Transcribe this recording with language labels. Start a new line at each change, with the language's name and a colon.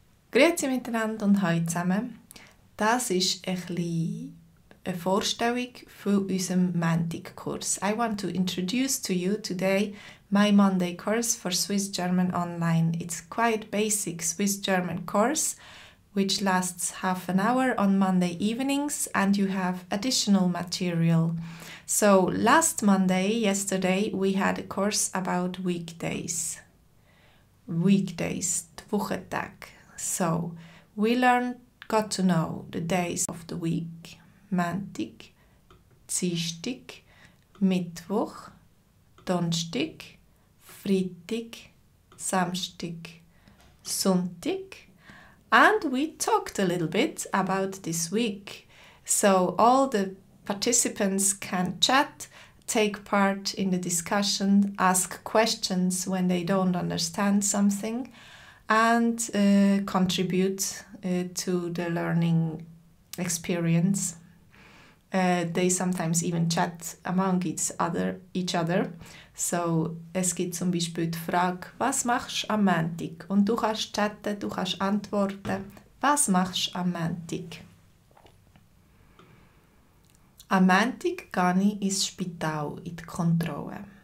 German: Grüezi miteinander und hallo zusammen. Das ist ein bisschen eine Vorstellung von unserem Mantic-Kurs.
English: I want to introduce to you today my Monday course for Swiss German Online. It's quite basic Swiss German course, which lasts half an hour on Monday evenings, and you have additional material. So last Monday, yesterday, we had a course about weekdays. Weekdays,
German: die Wochentag.
English: So, we learned, got to know the days of the week.
German: Montag, Dienstag, Mittwoch, Donnerstag, Freitag, Samstag, Sonntag.
English: And we talked a little bit about this week. So all the participants can chat, take part in the discussion, ask questions when they don't understand something, and contribute to the learning experience. They sometimes even chat among each other.
German: So, es gibt zum Beispiel die Frage, was machst du am Montag? Und du kannst chatten, du kannst antworten. Was machst du am Montag? Am Montag gehe ich ins Spital, in die Kontrolle.